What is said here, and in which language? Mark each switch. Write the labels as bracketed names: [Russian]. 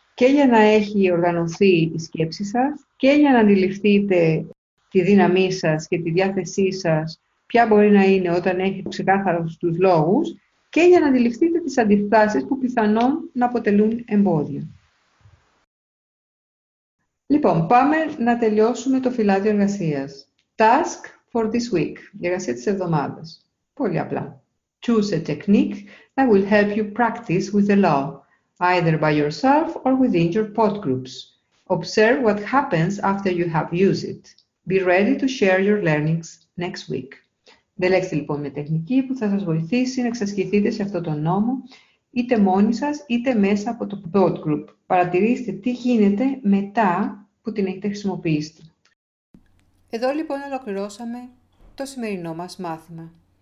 [Greek] Και για να έχει οργανωθεί η σκέψη σας και για να αντιληφθείτε τη δύναμή σας και τη διάθεσή σας ποια μπορεί να είναι όταν έχει ξεκάθαρο τους λόγους και για να αντιληφθείτε τις αντιστάσεις που πιθανόν να αποτελούν εμπόδιο. Λοιπόν, πάμε να τελειώσουμε το φυλάδιο εργασίας. [English] Task for this week, [Greek] η εργασία της εβδομάδας. Πολύ απλά. [English] Choose a technique that will help you practice with the law, either by yourself or within your pod groups. Observe what happens after you have used it. Be ready to share your learnings next week. [Greek] Διαλέξτε λοιπόν μια τεχνική που θα σας βοηθήσει να εξασκηθείτε σε αυτόν τον νόμο, είτε μόνοι σας, είτε μέσα από το pod group. Παρατηρήστε τι γίνεται μετά που την έχετε χρησιμοποιήσει. Εδώ λοιπόν ολοκληρώσαμε το σημερινό μας μάθημα.